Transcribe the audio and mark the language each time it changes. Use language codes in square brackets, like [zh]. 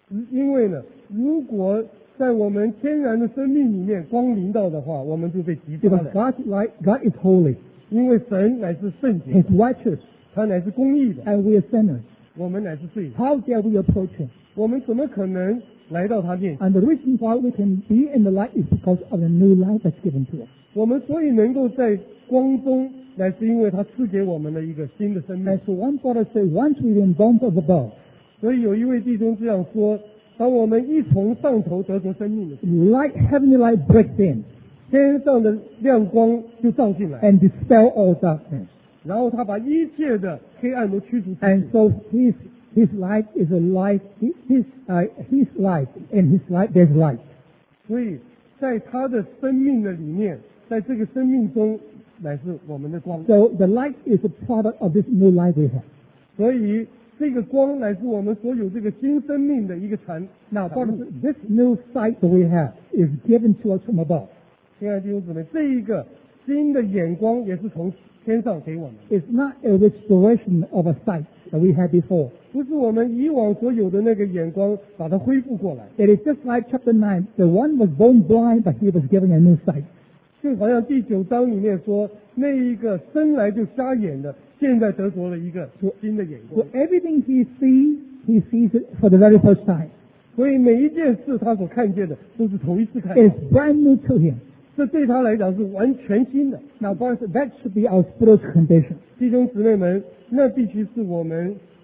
[zh] 因为呢，如果在我们天然的生命里面光临到的话，我们就被击杀了。 [en] Because God's light, God is holy. [zh] 因为神乃是圣洁的。 [en] He's righteous. [zh] 他乃是公义的。 [en] And we are sinners. [zh] 我们乃是罪人。 [en] How dare we approach him? [zh] 我们怎么可能来到他面前？ [en] And the reason why we can be in the light is because of the new life that's given to us. [zh] 我们所以能够在光中，乃是因为他赐给我们的一个新的生命。 [en] As one brother said, once we've been born from above, [zh] 所以有一位弟兄这样说：当我们一从上头得着生命的时候， [en] light, heavenly light breaks in, [zh] 天上的亮光就照进来， [en] and dispel all darkness. [zh] 然后他把一切的黑暗都驱逐出去。 [en] And so His life is a life, his life, and his life, there's light. [zh] 所以在他的生命的里面，在这个生命中乃是我们的光。 [en] So the light is a product of this new life we have. [zh] 所以这个光乃是我们所有这个新生命的一个产。 [en] Now, brothers, this new sight that we have is given to us from above. [zh] 亲爱的弟兄姊妹，这一个新的眼光也是从天上给我们。 [en] It's not a restoration of a sight that we had before. [zh] 不是我们以往所有的那个眼光把它恢复过来。 [en] It is just like chapter 9, the one was born blind, but he was given a new sight. [zh] 就好像第九章里面说，那一个生来就瞎眼的，现在得着了一个新的眼光。 [en] So everything he sees, he sees it for the very first time. [zh] 所以每一件事他所看见的都是头一次看到。 [en] It's brand new to him. [zh] 这对他来讲是完全新的。 [en] Now, brothers, that should be our spiritual condition. [zh] 弟兄姊妹们，那必须是我们